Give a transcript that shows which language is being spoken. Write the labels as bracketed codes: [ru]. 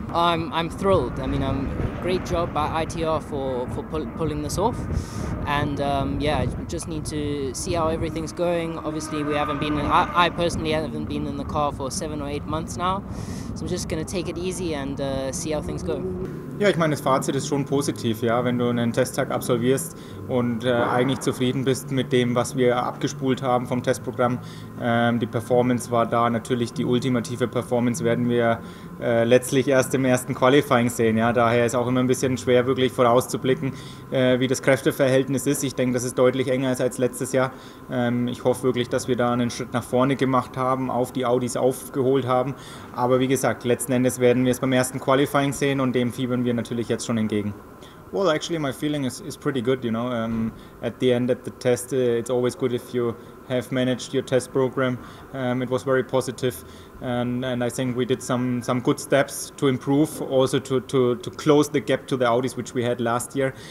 [en] I'm thrilled. I mean, great job by ITR for pulling this off. And yeah, just need to see how everything's going. Obviously, we haven't been in, I personally haven't been in the car for 7 or 8 months now. So I'm just gonna take it easy and see how things go. [de] Ja, ich meine, das Fazit ist schon positiv, ja, wenn du einen Testtag absolvierst und eigentlich zufrieden bist mit dem, was wir abgespult haben vom Testprogramm. Die Performance war da, natürlich die ultimative Performance werden wir letztlich erst im ersten Qualifying sehen. Ja. Daher ist auch immer ein bisschen schwer, wirklich vorauszublicken, wie das Kräfteverhältnis ist. Ich denke, dass es deutlich enger ist als letztes Jahr. Ich hoffe wirklich, dass wir da einen Schritt nach vorne gemacht haben, auf die Audis aufgeholt haben. Aber wie gesagt, letzten Endes werden wir es beim ersten Qualifying sehen und dem fiebern wir natürlich jetzt schon entgegen. [en] Well, actually, my feeling is pretty good, you know. At the end of the test, it's always good if you have managed your test program. It was very positive, and I think we did some good steps to improve, also to close the gap to the Audis, which we had last year.